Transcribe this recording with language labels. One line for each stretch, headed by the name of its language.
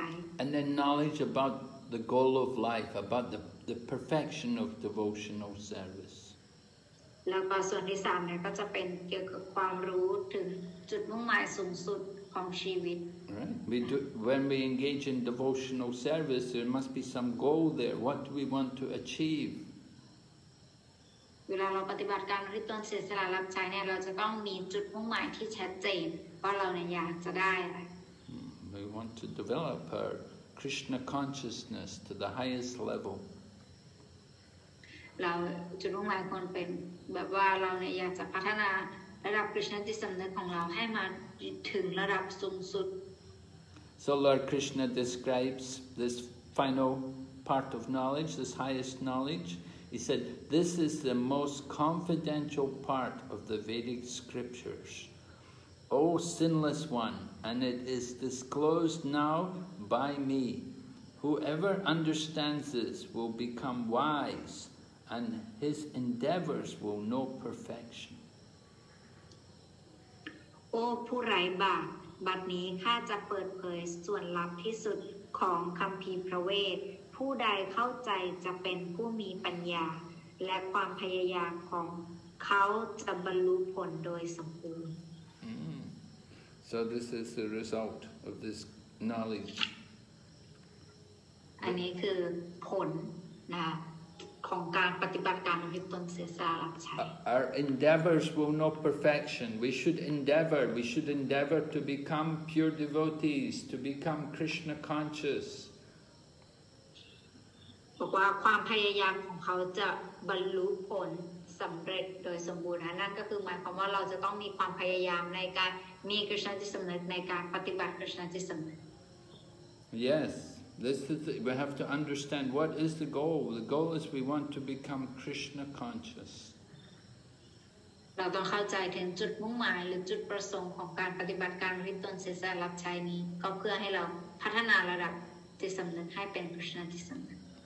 English: and then knowledge about the goal of life about the perfection of devotional service
Thai: แล้วก็ส่วนที่สามเนี่ยก็จะเป็นเกี่ยวกับความรู้ถึงจุดมุ่งหมายสูงสุดของชีวิต
English: When we engage in devotional service, there must be some goal there. What do we want to achieve?
Thai: เวลาเราปฏิบัติการที่ต้นเสียสละรับใช้เนี่ยเราจะต้องมีจุดมุ่งหมายที่ชัดเจนว่าเราเนี่ยอยากจะได้อะไร
English: We want to develop our Krishna consciousness to the highest level.
Thai: เราจะรู้หมายคนเป็นแบบว่าเราเนี่ยอยากจะพัฒนาระดับคริสต์จิตสำนึกของเราให้มาถึงระดับสูงสุด
English: So Lord Krishna describes this final part of knowledge, this highest knowledge. He said, "This is the most confidential part of the Vedic scriptures, O sinless one, and it is disclosed now by me. Whoever understands this will become wise." And his endeavors will know perfection.
Thai: Oh, ผู้ไร้บาปบัดนี้ข้าจะเปิดเผยส่วนลับที่สุดของคัมภีร์พระเวทผู้ใดเข้าใจจะเป็นผู้มีปัญญาและความพยายามของเขาจะบรรลุผลโดยสมบูรณ์
English: So this is the result of this knowledge.
Thai: อันนี้คือผลนะของการปฏิบัติการอุทิศตนเสียสละรับใช้
English: Our endeavors will know perfection. We should endeavor to become pure devotees, to become Krishna conscious.
Thai: บอกว่าความพยายามของเขาจะบรรลุผลสำเร็จโดยสมบูรณ์นั่นก็คือหมายความว่าเราจะต้องมีความพยายามในการมีคริสตจิตสำนึกในการปฏิบัติคริสตจิตสำนึก
English: YesThis is the, we have to understand what is the goal. The goal is we want to become Krishna conscious.
Thai: เราต้องเข้าใจถึงจุดมุ่งหมายหรือจุดประสงค์ของการปฏิบัติการที่ตนเสียสละรับใช้นี้ก็เพื่อให้เราพัฒนาระดับจิตสำนึกให้เป็น Krishna จิตสำนึก